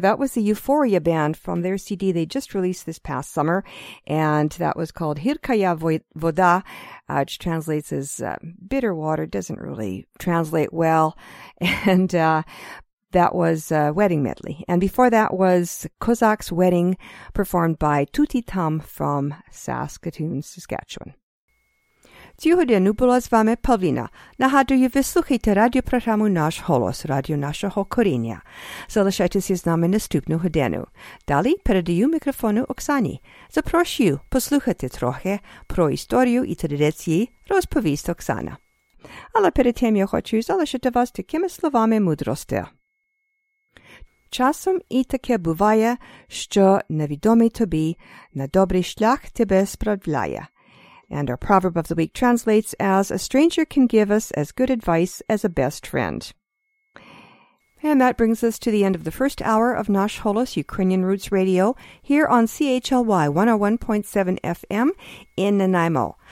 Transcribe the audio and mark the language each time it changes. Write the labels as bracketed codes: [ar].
[en] That was the Euphoria Band from their CD they just released this past summer, and that was called Hirkaya Voda, which translates as bitter water. Doesn't really translate well, and that was a wedding medley. And before that was Kozak's Wedding, performed by Tuti Tam from Saskatoon, Saskatchewan. [uk] Цю годину була з вами Павліна. Нагадую, ви слухаєте радіопрограму «Наш голос», радіо нашого коріння. Залишайтеся з нами наступну годину. Далі передаю мікрофону Оксані. Запрошую послухати трохи про історію і традиції, розповість Оксана. Але перед тим я хочу залишити вас такими словами мудрості. Часом і таке буває, що невідомий тобі на добрий шлях тебе справляє. [en] And our proverb of the week translates as, a stranger can give us as good advice as a best friend. And that brings us to the end of the first hour of Nash Holos Ukrainian Roots Radio here on CHLY 101.7 FM in Nanaimo.